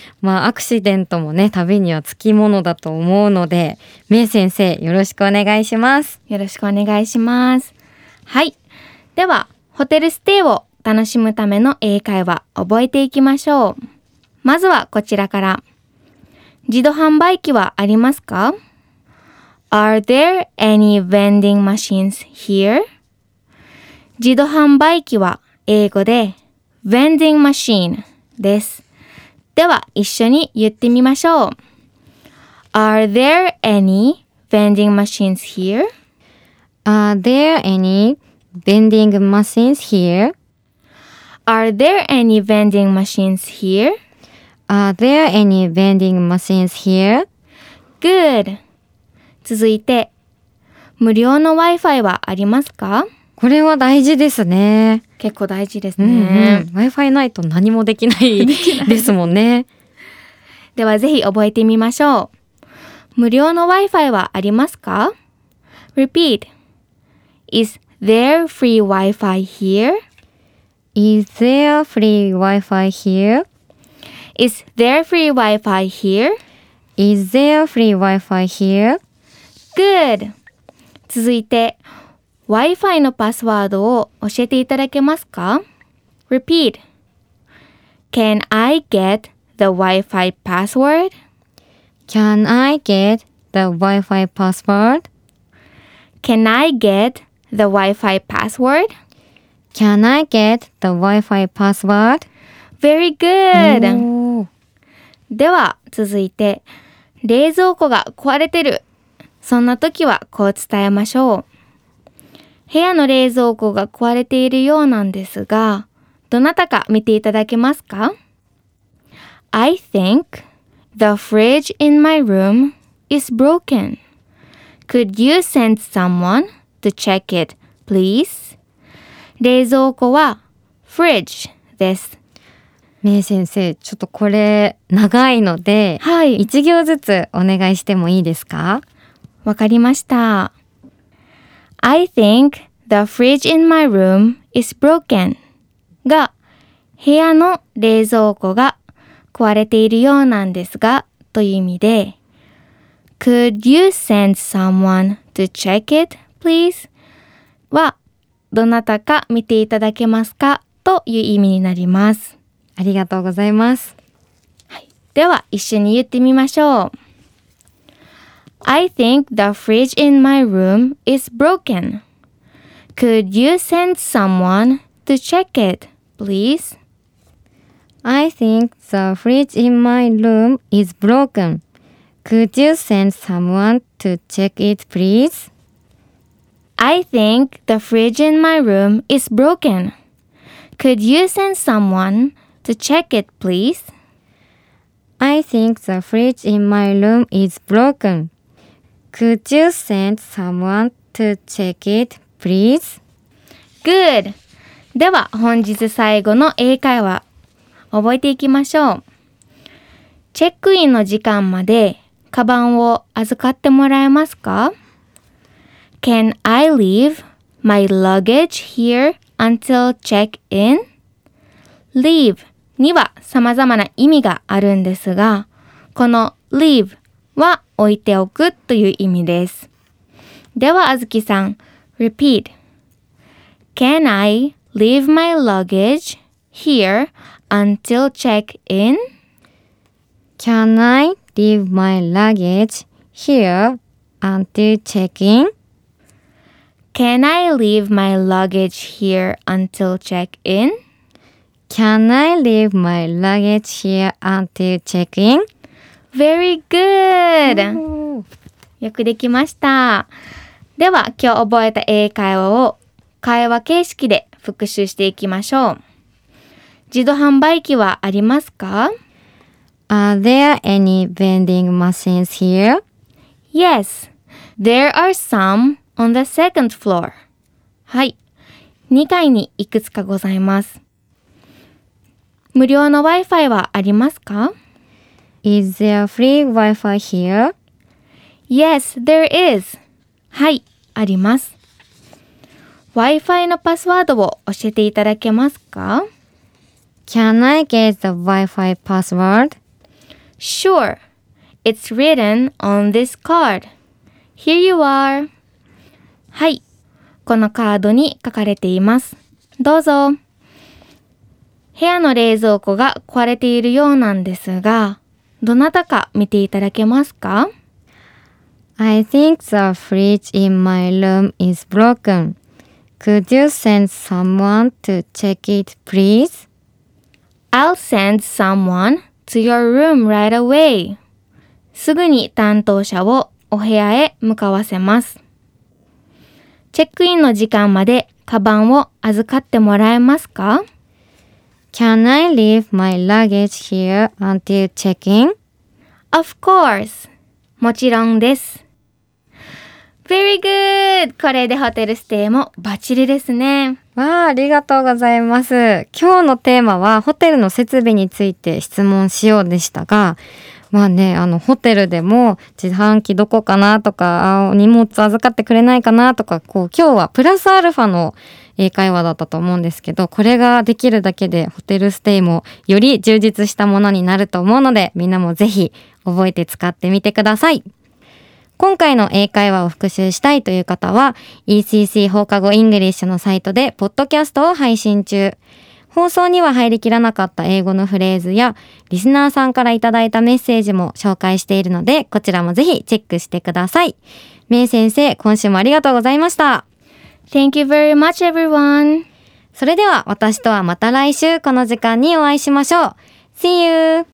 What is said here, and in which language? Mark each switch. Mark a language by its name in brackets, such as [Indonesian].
[Japanese] まあ、アクシデントもね、旅にはつきものだと思うので、メイ先生、よろしくお願いします。よろしくお願いします。はい、ではホテルステイを楽しむための英会話覚えていきましょう。まずはこちらから。自動販売機はありますか？ [English] Are there any vending machines here? [Japanese] 自動販売機は英語で Vending Machine です。では一緒に言ってみましょう。 [English] Are there any vending machines here? Are there any vending machines here? Are there any vending machines here? Are there any vending machines here? Good! [Japanese] 続いて、無料の Wi-Fi はありますか？これは大事ですね。結構大事ですね。 Wi-Fi ないと何もできないですもんね。ではぜひ覚えてみましょう。無料の Wi-Fi はありますか ? [English] Repeat. Is there free Wi-Fi here? Is there free Wi-Fi here? Is there free Wi-Fi here? Is there free Wi-Fi here? Good. [Japanese] 続いて、Wi-Fi のパスワードを教えていただけますか? [English] Repeat. Can I get the Wi-Fi password? Can I get the Wi-Fi password? Can I get the Wi-Fi password? Can I get the Wi-Fi password? Very good! [Japanese] では続いて、冷蔵庫が壊れてる。そんな時はこう伝えましょう。部屋の冷蔵庫が壊れているようなんですが、どなたか見ていただけますか? [English] I think the fridge in my room is broken. Could you send someone to check it, please? [Japanese] 冷蔵庫は fridge です。メイ先生、ちょっとこれ長いので、はい、一行ずつお願いしてもいいですか? わかりました。 [English] I think the fridge in my room is broken. [Japanese] が、部屋の冷蔵庫が壊れているようなんですが、という意味で、 [English] Could you send someone to check it, please? [Japanese] は、どなたか見ていただけますか?という意味になります。ありがとうございます。はい、では、一緒に言ってみましょう。 [English] I think the fridge in my room is broken. Could you send someone to check it, please? I think the fridge in my room is broken. Could you send someone to check it, please? I think the fridge in my room is broken. Could you send someone to check it, please? I think the fridge in my room is broken. Could you send someone to check it, please? Good! [Japanese] では、本日最後の英会話、覚えていきましょう。チェックインの時間まで、カバンを預かってもらえますか? [English] Can I leave my luggage here until check-in? [Japanese] Leave には様々な意味があるんですが、この leave は置いておくという意味です。では、あずきさん、 [English] repeat. Can I leave my luggage here until check-in? Can I? Leave my luggage here until check-in? Can I leave my luggage here until check-in? Can I leave my luggage here until check-in? Very good! [Japanese] よくできました。では、今日覚えた英会話を会話形式で復習していきましょう。自動販売機はありますか? [English] Are there any vending machines here? Yes, there are some on the second floor. [Japanese] はい、2階にいくつかございます。無料の Wi-Fi はありますか? [English] Is there free Wi-Fi here? Yes, there is. [Japanese] はい、あります。 Wi-Fi のパスワードを教えていただけますか? [English] Can I get the Wi-Fi password? Sure. It's written on this card. Here you are. [Japanese] はい。このカードに書かれています。どうぞ。部屋の冷蔵庫が壊れているようなんですが、どなたか見ていただけますか? [English] I think the fridge in my room is broken. Could you send someone to check it, please? I'll send someone. To your room right away. [Japanese] すぐに担当者をお部屋へ向かわせます。チェックインの時間までカバンを預かってもらえますか? [English] Can I leave my luggage here until check-in? Of course. [Japanese] もちろんです。 [English] Very good! [Japanese] これでホテルステイもバッチリですね。わあ、ありがとうございます。今日のテーマはホテルの設備について質問しようでしたが、まあね、ホテルでも自販機どこかなとか、荷物預かってくれないかなとか、こう、今日はプラスアルファの英会話だったと思うんですけど、これができるだけでホテルステイもより充実したものになると思うので、みんなもぜひ覚えて使ってみてください。今回の英会話を復習したいという方は ECC 放課後イングリッシュのサイトでポッドキャストを配信中。放送には入りきらなかった英語のフレーズやリスナーさんからいただいたメッセージも紹介しているので、こちらもぜひチェックしてください。メイ先生、今週もありがとうございました。 [English] Thank you very much everyone. [Japanese] それでは私とはまた来週この時間にお会いしましょう。 [English] See you!